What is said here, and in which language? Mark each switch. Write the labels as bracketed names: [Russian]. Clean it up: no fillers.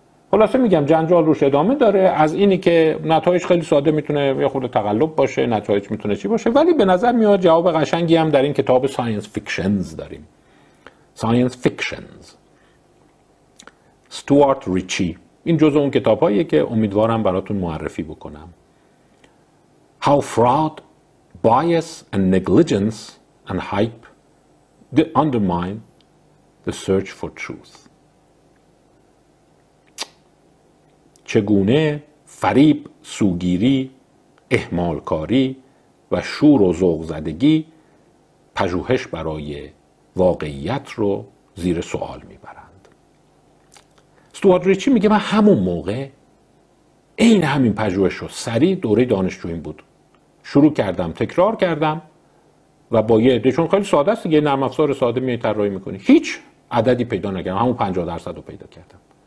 [Persian] خلاصه میگم جنجال روش ادامه داره، از اینی که نتایج خیلی ساده میتونه یه خورده تقلب باشه، نتایج میتونه چی باشه، ولی به نظر میاد جواب قشنگی هم در این کتاب ساینس فیکشنز داریم. ساینس فیکشنز استوارت ریچی، این جزء اون کتاباییه که امیدوارم براتون معرفی بکنم. [English] How fraud, bias and negligence and hype undermine the search for truth. [Persian] چگونه فریب، سوگیری، اهمالکاری و و شور و ذوق زدگی پژوهش برای واقعیت رو زیر سوال میبرند. استوارت ریچی میگه من همون موقع این همین پژوهش رو سریع دوره دانشجویی بود شروع کردم، تکرار کردم و با یه عده، چون خیلی ساده است، یه نرم افزار ساده میای طراحی میکنی، هیچ عددی پیدا نکردم، همون 50% رو پیدا کردم.